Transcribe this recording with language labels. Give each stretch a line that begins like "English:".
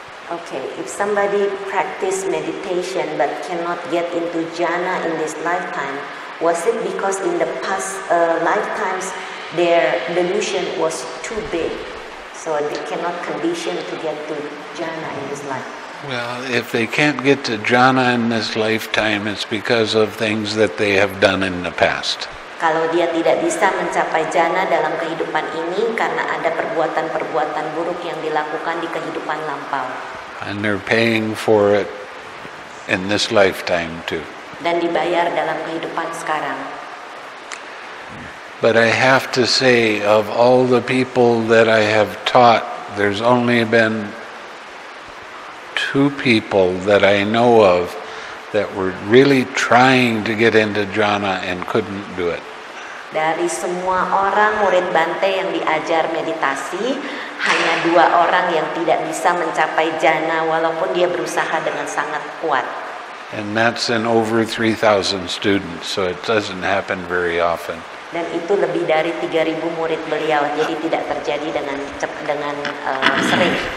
English: Okay, if somebody practice meditation but cannot get into jhana in this lifetime, was it because in the past lifetimes their delusion was too big, so they cannot condition to get to jhana in this life? Well, if they can't get to jhana in this lifetime, it's because of things that they have done in the past.
Indonesian: Kalau dia tidak bisa mencapai jhana dalam kehidupan ini karena ada perbuatan-perbuatan buruk yang dilakukan di kehidupan lampau.
English: And they're paying for it in this lifetime too.
Indonesian: Dan dibayar dalam kehidupan sekarang.
English: But I have to say, of all the people that I have taught, there's only been two people that I know of that were really trying to get into jhana and couldn't do it.
Indonesian: Dari semua orang murid Bhante yang diajar meditasi, hanya dua orang yang tidak bisa mencapai jhana walaupun dia berusaha dengan sangat kuat.
English: And that's in over 3,000 students, so it doesn't happen very often.
Indonesian: Dan itu lebih dari 3,000 murid beliau, jadi tidak terjadi dengan sering.